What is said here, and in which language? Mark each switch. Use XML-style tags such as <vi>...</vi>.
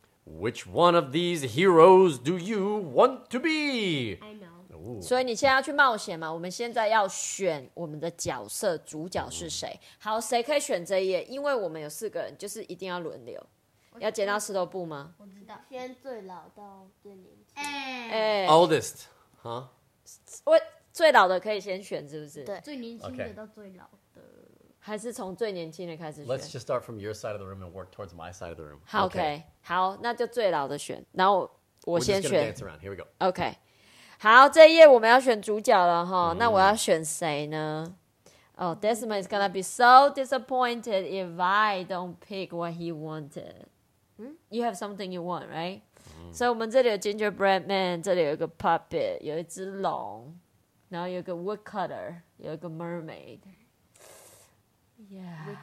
<en>Which one of these heroes do you want to be? I know. Ooh.</en> <zh>所以你现在要去冒险嘛，我们现在要选我们的角色，主角是谁。好，谁可以选这一页？因为我们有四个人，就是一定要轮流。要捡到石头布吗？我知道，先最老到最年轻。</zh> <en>Oldest, huh?</en> <zh>最老的可以先选是不是？对，最年轻的到最老的。</zh> <en>Okay.</en> <zh>还是从最年轻的开始选。</zh> <en>Let's just start from your side of the room and work towards my side of the room.</en> <zh>好 OK, 好，那就最老的选。然后 我先选。</zh> <en>We're just gonna dance around. Here we go. OK.</en> <zh>好，这一页我们要选主角了哈。那我要选谁呢？</zh> <en>哦、Desmond is gonna be so disappointed if I don't pick what he wanted. You have something you want, right?</en> <zh>So 我们这里有 gingerbread man， 这里有一个 puppet， 有一只龙，然后有一个 woodcutter， 有一个 mermaid. Yeah.</zh>